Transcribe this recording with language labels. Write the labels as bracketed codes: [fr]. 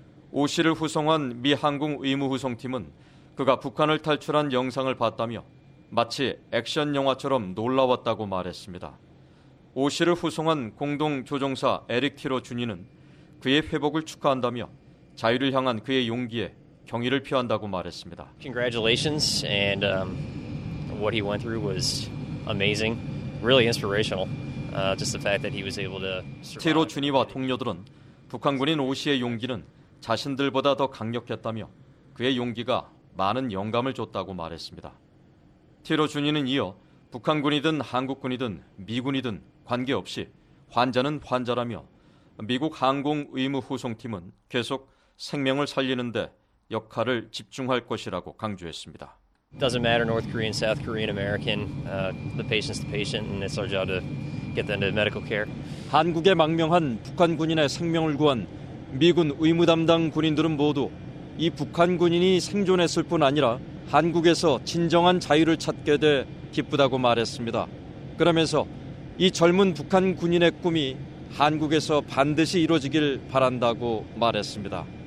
[ko] 오씨를 후송한 미 항공 의무 후송팀은 그가 북한을 탈출한 영상을 봤다며 마치 액션 영화처럼 놀라웠다고 말했습니다. 오씨를 후송한 공동조종사 에릭 티로 준위는 그의 회복을 축하한다며 자유를 향한 그의 용기에 경의를 표한다고 말했습니다. [en] Congratulations and what he went through was amazing. Really inspirational. Just the fact that he was able to survive. [ko] 티로 준위와 동료들은 북한군인 오씨의 용기는 자신들보다 더 강력했다며 그의 용기가 많은 영감을 줬다고 말했습니다. 티로 준위는 이어 북한군이든 한국군이든 미군이든 관계없이 환자는 환자라며 미국 항공 의무 후송팀은 계속 생명을 살리는 데 역할을 집중할 것이라고 강조했습니다. [en] Doesn't matter North Korean, South Korean, American, the patient's the patient and it's our job to get them to medical care. [ko] 한국에 망명한 북한 군인의 생명을 구한 미군 의무 담당 군인들은 모두 이 북한 군인이 생존했을 뿐 아니라 한국에서 진정한 자유를 찾게 돼 기쁘다고 말했습니다. 그러면서 이 젊은 북한 군인의 꿈이 한국에서 반드시 이루어지길 바란다고 말했습니다.